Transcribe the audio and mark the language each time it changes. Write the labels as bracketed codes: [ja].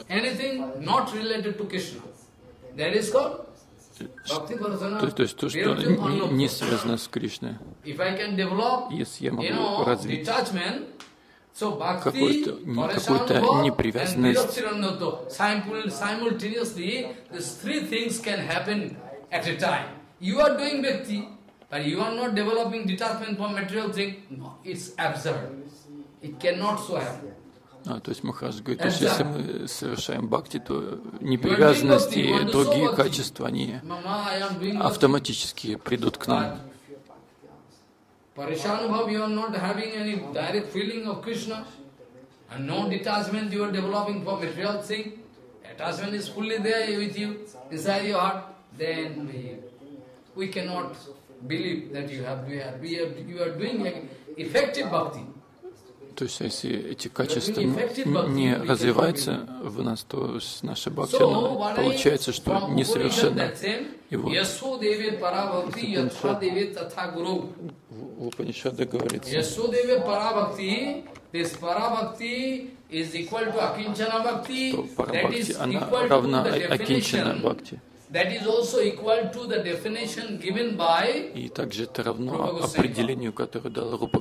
[ru] То есть то, что не связано с Кришной. Если я могу развить какую-то непривязанность, [en] but you are not developing detachment from material thing, no, it's absurd. It cannot so happen. [ru] А, то есть Махарадж говорит, то есть если мы совершаем бхакти, то непривязанность и другие качества, они автоматически придут к нам. [en] Parishanubhav, you are not having any direct feeling of Krishna, and no detachment you are developing from material thing. Attachment is fully there with you, inside your heart, then we cannot believe that you are doing effective bhakti. [ru] То есть если эти качества не развиваются в нас, то наша бхакти получается, что несовершенна. Упанишады говорится. [sa] Ясо деве пара бхакти, [en] this пара бхакти is equal to акинчана бхакти. [ru] Пара бхакти, она равна акинчана бхакти. [en] That is also equal to the definition given by. [ru] И также это равно определению, которое дал Рупа